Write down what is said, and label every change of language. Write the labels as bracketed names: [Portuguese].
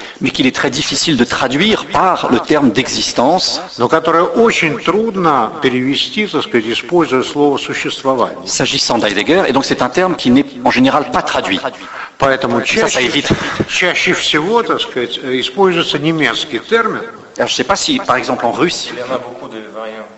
[French] Mais qu'il est très difficile de traduire par le terme d'existence. [Russian] Но которое очень трудно перевести, так сказать, используя слово существование. [French] S'agissant d'Heidegger, et donc c'est un terme qui n'est en général pas traduit. [Russian] Поэтому чаще всего, так сказать, используется немецкий термин. [French] Alors, je ne sais pas si, par exemple, en russe... Il y en a beaucoup de variants.